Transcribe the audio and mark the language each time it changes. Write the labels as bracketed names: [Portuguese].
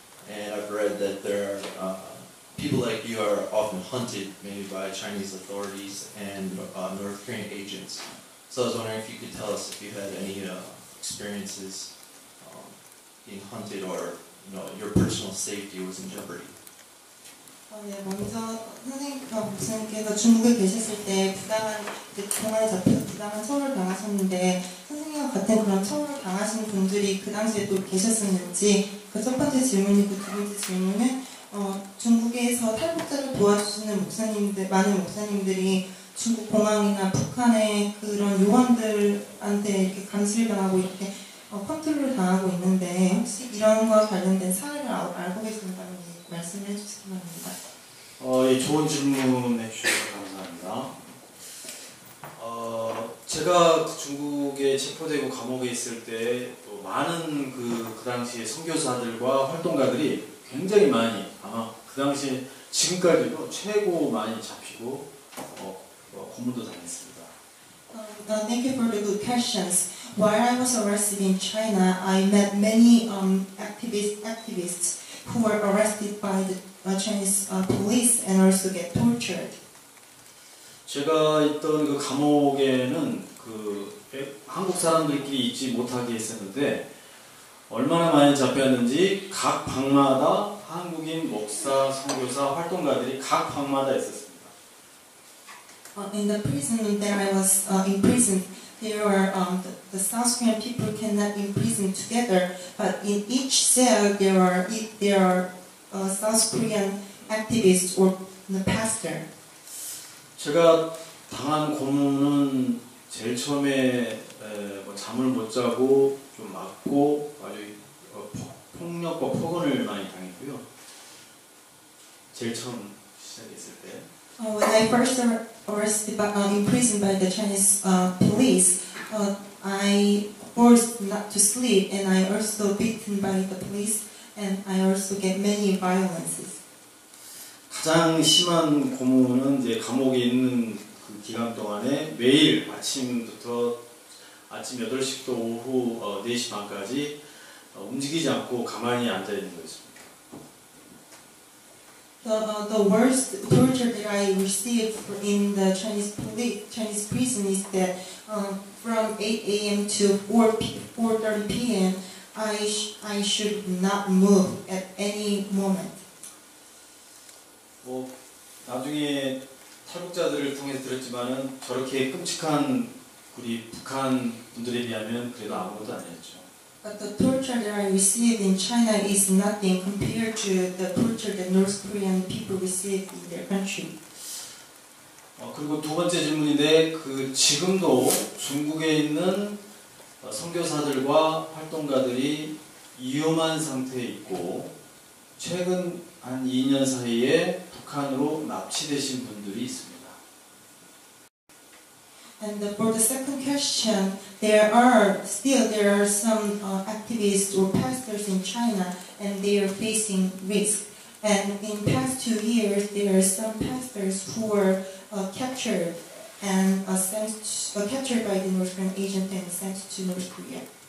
[English] And I've read that there are people like you are often hunted, maybe by Chinese authorities and North Korean agents. So I was wondering if you could tell us if you had any experiences being hunted or your personal safety was in jeopardy. [Korean] 네, 먼저 선생님, 교수님께서 중국에 계셨을 때 부당한 청원을 잡혀 부당한 처벌을 당하셨는데 선생님과 같은 그런 처벌을 당하신 분들이 그 당시에 또 계셨었는지 그 첫 번째 질문이고 두 번째 질문은 중국에서 탈북자를 도와주시는 목사님들 많은 목사님들이 중국 공항이나 북한의 그런 요원들한테 이렇게 감시를 당하고 이렇게 컨트롤을 당하고 있는데 혹시 이런 것 관련된 사례를 알고 계신다면 말씀해 주시기 바랍니다. 예, 좋은 질문해 주셔서 감사합니다. 제가 그 중국에 체포되고 감옥에 있을 때 또 많은 그 당시에 선교사들과 활동가들이 굉장히 많이 아마 그 당시에 지금까지도 최고 많이 잡히고 고문도 당했습니다. [English] Thank you for the good questions. While I was arrested in China, I met many activists who were arrested by the Chinese police and also get tortured. [Korean] 제가 있던 그 감옥에는 그 한국 사람들끼리 있지 못하게 했었는데 얼마나 많이 잡혔는지 각 방마다 한국인 목사, 선교사, 활동가들이 각 방마다 있었습니다. [English] In the prison that I was imprisoned, there were the South Korean people cannot imprison together, but in each cell there are South Korean activists or the pastor. [Korean] 제가 당한 고문은 제일 처음에 잠을 못 자고 좀 맞고 아주 폭력과 폭언을 많이 당했고요. 제일 처음 시작했을 때. [English] When I first arrested imprisoned by the Chinese police, I forced not to sleep and I also beaten by the police and I also get many violences. [Korean] 가장 심한 고문은 이제 감옥에 있는 그 기간 동안에 매일 아침부터 아침 8시부터 오후 4시 반까지 움직이지 않고 가만히 앉아 있는 것입니다. [English] The worst torture that I received in the Chinese prison is that from 8 a.m. to 4:30 p.m. I should not move at any moment. [Korean] 뭐 나중에 탈북자들을 통해서 들었지만은 저렇게 끔찍한 우리 북한 분들에 비하면 그래도 아무것도 아니었죠. [English] But the torture that I received in China is nothing compared to the torture that North Korean people received in their country. [Korean] 그리고 두 번째 질문인데 그 지금도 중국에 있는 선교사들과 활동가들이 위험한 상태에 있고 최근 한 2년 사이에 북한으로 납치되신 분들이 있습니다. [English] And for the second question, there are some activists or pastors in China and they are facing risk. And in past 2 years, there are some pastors who were captured by the North Korean agent and sent to North Korea.